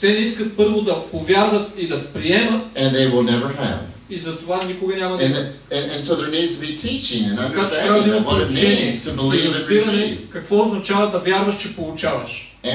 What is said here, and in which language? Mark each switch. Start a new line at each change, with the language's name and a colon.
Bulgarian: Те не искат първо да повярват и да приемат.
English: And they will never have.
Bulgarian: И затова никога няма да имат.
English: And so there needs to be teaching and understanding of what it means to believe and receive.
Bulgarian: Какво означава да вярваш, че получаваш?